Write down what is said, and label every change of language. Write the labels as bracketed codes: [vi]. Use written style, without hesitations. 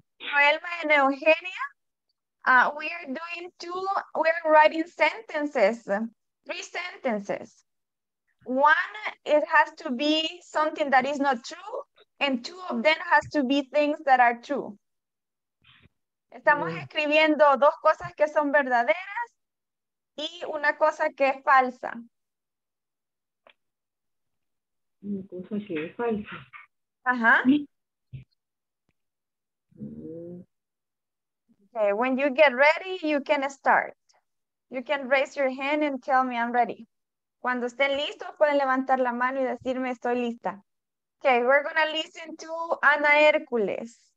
[en] Roelma and Eugenia, we are doing we're writing sentences, three sentences. One, it has to be something that is not true, and two of them has to be things that are true. [es] Estamos escribiendo dos cosas que son verdaderas y una cosa que es falsa. Una cosa que es falsa. Ajá. [en] Okay, when you get ready, you can start. You can raise your hand and tell me I'm ready. [es] Cuando estén listos, pueden levantar la mano y decirme estoy lista. [en] Okay, we're going to listen to Ana Hércules.